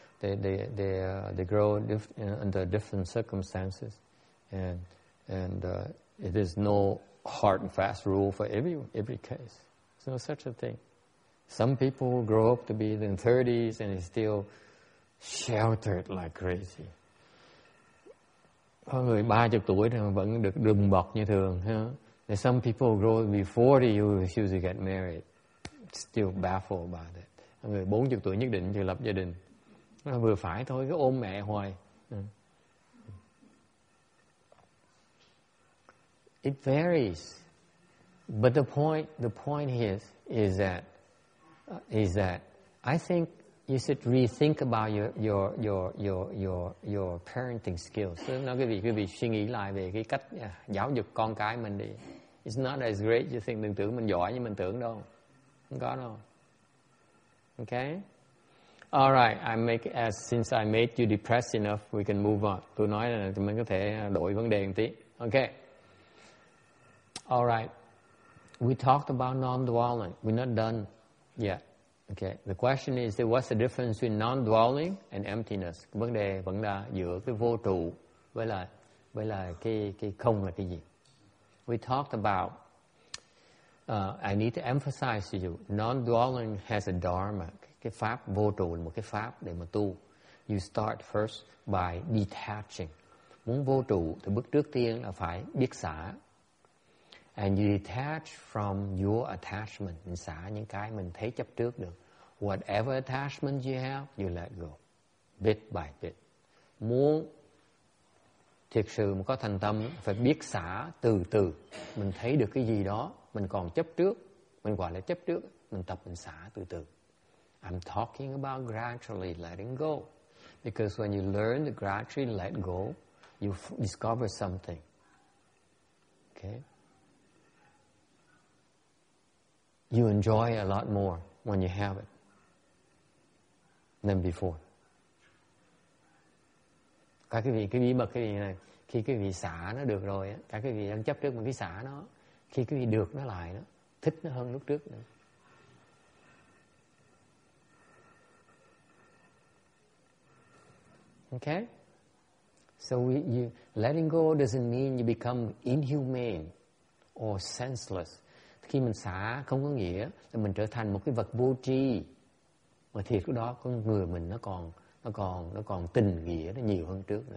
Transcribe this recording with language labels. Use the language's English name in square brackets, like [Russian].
[English] they grow under different circumstances, and it is no hard and fast rule for every case. There's no such a thing. Some people grow up to be in their 30s and is still sheltered like crazy. [Vietnamese] Có người 30 tuổi thì vẫn được đùm bọc như thường. Huh? [English] Some people grow up to be 40, you choose to get married. Still baffled about it. [Vietnamese] Người 40 tuổi nhất định thì lập gia đình. Nó vừa phải thôi, cứ ôm mẹ hoài. [English] It varies. But the point is that I think you should rethink about your parenting skills. [Vietnamese] Nói quý vị suy nghĩ lại về cái cách giáo dục con cái mình đi. [English] It's not as great as you think. [Vietnamese] Đừng tưởng mình giỏi như mình tưởng đâu. Không có đâu. Okay? [English] All right, since I made you depressed enough, we can move on. [Vietnamese] Tôi nói là mình có thể đổi vấn đề một tí. [English] Okay. All right. We talked about non-dwelling. We're not done yet. Okay. The question is, what's the difference between non-dwelling and emptiness? [Vietnamese] Vấn đề vẫn là giữa cái vô trụ với là cái không là cái gì? [English] We talked about, I need to emphasize to you, non-dwelling has a dharma. [Vietnamese] Cái pháp vô trụ là một cái pháp để mà tu. [English] You start first by detaching. [Vietnamese] Muốn vô trụ thì bước trước tiên là phải biết xả. [English] And you detach from your attachment. [Vietnamese] Mình xả những cái mình thấy chấp trước được. [English] Whatever attachment you have, you let go. Bit by bit. [Vietnamese] Muốn thiệt sự mà có thành tâm, phải biết xả từ từ. Mình thấy được cái gì đó, mình còn chấp trước. Mình gọi là chấp trước. Mình tập mình xả từ từ. [English] I'm talking about gradually letting go. Because when you learn to gradually let go, you discover something. Okay? You enjoy a lot more when you have it than before. [Vietnamese] Các quý vị, cái bí mật cái gì này, khi quý vị xả nó được rồi, các quý vị đang chấp trước mà cái xả nó, khi quý vị được nó lại, nó thích nó hơn lúc trước nữa. [English] Okay? So letting go doesn't mean you become inhumane or senseless. [Vietnamese] Khi mình xả không có nghĩa là mình trở thành một cái vật vô tri. Mà thiệt lúc đó con người mình nó còn tình nghĩa nó nhiều hơn trước.